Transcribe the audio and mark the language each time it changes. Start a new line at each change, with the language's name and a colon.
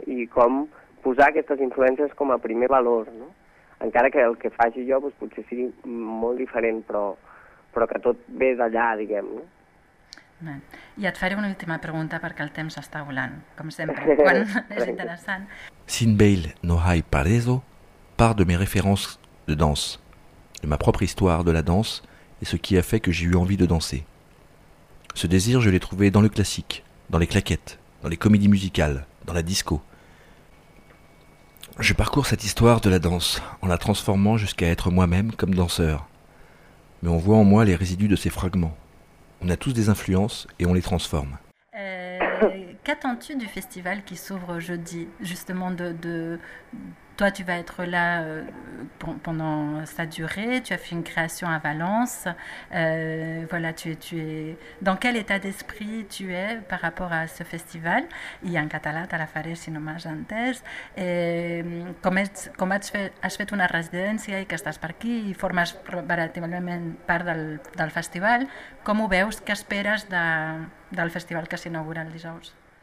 Catalan: I com posar aquestes influències com a primer valor, no? Encara que el que faci jo doncs, potser sigui molt diferent, però que tot ve d'allà, diguem, no? I et faré una última pregunta perquè el temps està volant, com sempre, quan és interessant.
French: Sin bail no hay paraíso part de mes références de danse, de ma propre histoire de la danse et ce qui a fait que j'ai eu envie de danser. Ce désir, je l'ai trouvé dans le classique, dans les claquettes, dans les comédies musicales, dans la disco. Je parcours cette histoire de la danse en la transformant jusqu'à être moi-même comme danseur. Mais on voit en moi les résidus de ces fragments. On a tous des influences et on les transforme. Qu'attends-tu du festival qui s'ouvre jeudi, justement de toi, tu vas être là pendant sa durée, tu as fait une création à Valence, voilà, tu es dans quel état d'esprit tu es par rapport à ce festival? Il y a un catalan,
Catalan: tu la faré, si no m'has entès, com has fet una residència i que estàs per aquí i formes relativament part del festival, com ho veus, què esperes del festival que s'inaugura el dijous?